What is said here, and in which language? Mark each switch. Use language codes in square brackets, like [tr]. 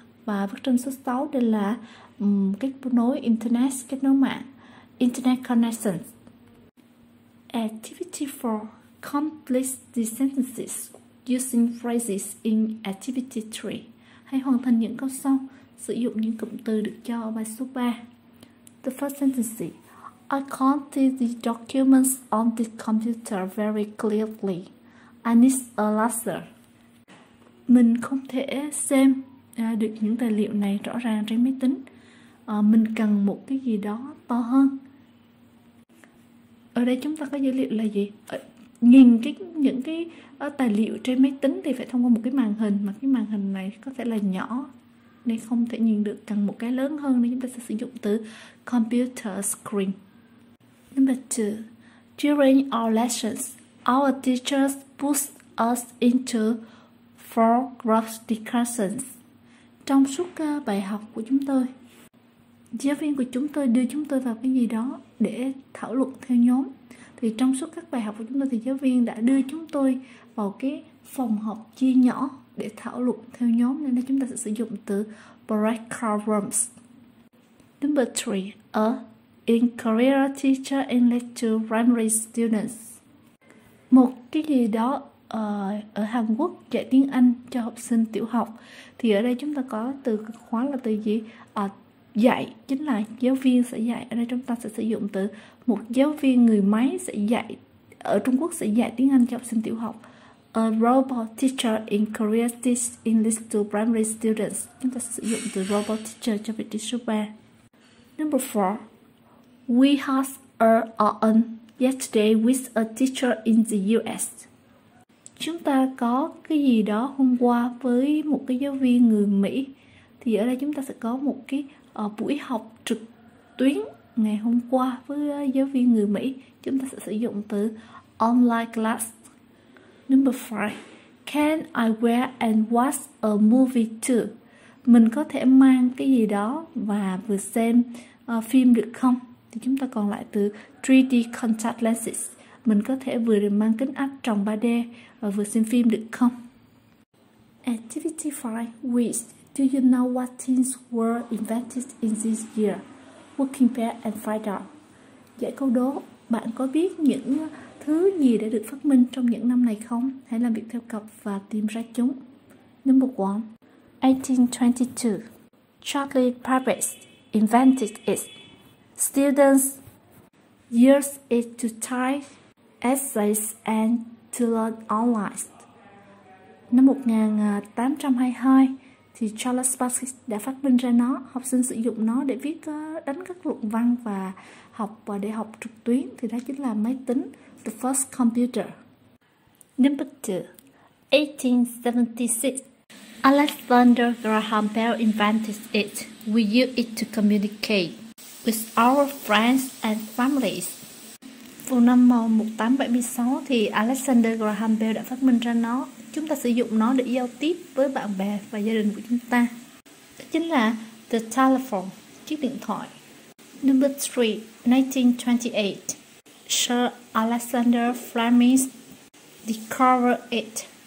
[vi] Và bức tranh số 6, đây là kết nối internet, kết nối mạng, internet connections. [en] Activity 4, complete the sentences using phrases in activity 3. [vi] Hãy hoàn thành những câu sau, sử dụng những cụm từ được cho bài số 3. [en] The first sentence, I can't see the documents on the computer very clearly. I need a laser. [vi] Mình không thể xem được những tài liệu này rõ ràng trên máy tính. Mình cần một cái gì đó to hơn. Ở đây chúng ta có dữ liệu là gì? Nhìn những cái tài liệu trên máy tính thì phải thông qua một cái màn hình, mà cái màn hình này có thể là nhỏ nên không thể nhìn được, cần một cái lớn hơn, nên chúng ta sẽ sử dụng từ computer screen. [en] Number 2. During our lessons, our teachers put us into 4 group discussions. [vi] Trong suốt bài học của chúng tôi, giáo viên của chúng tôi đưa chúng tôi vào cái gì đó để thảo luận theo nhóm. Thì trong suốt các bài học của chúng tôi thì giáo viên đã đưa chúng tôi vào cái phòng học chia nhỏ để thảo luận theo nhóm, nên chúng ta sẽ sử dụng từ breakout rooms. [en] Number 3. Encourage a teacher in lecture primary students. [vi] Một cái gì đó ở Hàn Quốc dạy tiếng Anh cho học sinh tiểu học. Thì ở đây chúng ta có từ khóa là từ gì? Dạy, chính là giáo viên sẽ dạy. Ở đây chúng ta sẽ sử dụng từ một giáo viên người máy sẽ dạy, ở Trung Quốc sẽ dạy tiếng Anh cho học sinh tiểu học. [en] A robot teacher in Korea teaches English to primary students. [vi] Chúng ta sử dụng từ robot teacher cho vị trí số 3. [en] Number 4. We had an yesterday with a teacher in the US. [vi] Chúng ta có cái gì đó hôm qua với một cái giáo viên người Mỹ. Thì ở đây chúng ta sẽ có một cái buổi học trực tuyến ngày hôm qua với giáo viên người Mỹ. Chúng ta sẽ sử dụng từ online class. [en] Number 5. Can I wear and watch a movie too? [vi] Mình có thể mang cái gì đó và vừa xem phim được không? Thì chúng ta còn lại từ 3D contact lenses. Mình có thể vừa mang kính áp tròng 3D và vừa xem phim được không? [en] Activity 5. Which, do you know what things were invented in this year? Working pair and find out. [vi] Giải câu đố. Bạn có biết những thứ gì đã được phát minh trong những năm này không? Hãy làm việc theo cặp và tìm ra chúng. [en] Number 1. 1822. Charlie Babbage invented it. Students used it to type essays and to learn online. [vi] Năm 1822 thì Charles Babbage đã phát minh ra nó, học sinh sử dụng nó để viết đánh các luận văn và học để học trực tuyến, thì đó chính là máy tính, the first computer. [en] Number 2, 1876. Alexander Graham Bell invented it. We use it to communicate with our friends and families. [vi] Vào năm 1876 thì Alexander Graham Bell đã phát minh ra nó. Chúng ta sử dụng nó để giao tiếp với bạn bè và gia đình của chúng ta. Đó chính là the telephone, chiếc điện thoại. [en] Number 3, 1928. Sir Alexander Fleming discovered it.